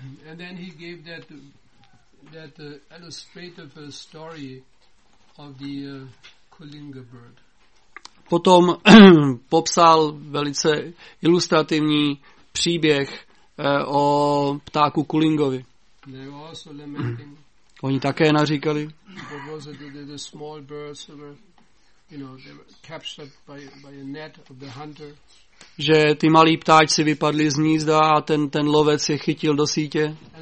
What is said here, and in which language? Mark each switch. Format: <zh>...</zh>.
<en>And then he gave that illustrative story of the Kulinga bird.</en> <cs>Potom popsal velice ilustrativní příběh o ptáku Kulingovi.</cs> <en>They were also lamenting.</en> <cs>Oni také naříkali.</cs> <en>The small birds were, you know, they were captured by a net of the hunter.</en> <cs>Že ty malí ptáci vypadli z hnízda a ten lovec je chytil do sítě.</cs>